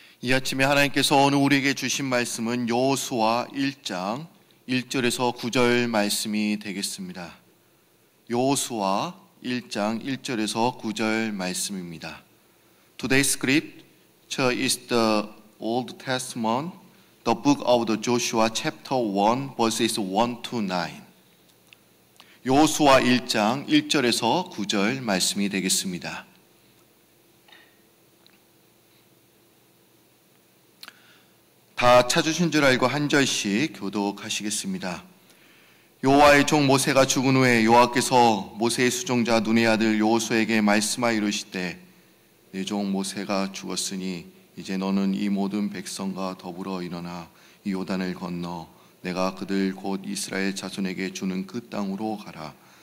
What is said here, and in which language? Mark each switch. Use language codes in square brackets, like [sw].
[ko] 이 아침에 하나님께서 오늘 우리에게 주신 말씀은 여호수아 1장 1절에서 9절 말씀이 되겠습니다. 여호수아 1장 1절에서 9절 말씀입니다. [en] Today's script is the Old Testament, the book of the Joshua chapter 1 verses 1 to 9. [ko] 여호수아 1장 1절에서 9절 말씀이 되겠습니다. 다 찾으신 줄 알고 한 절씩 교독하시겠습니다. 여호와의 종 모세가 죽은 후에 여호와께서 모세의 수종자 눈의 아들 여호수아에게 말씀하여 이르시되 내 종 모세가 죽었으니 이제 너는 이 모든 백성과 더불어 일어나 이 요단을 건너 내가 그들 곧 이스라엘 자손에게 주는 그 땅으로 가라.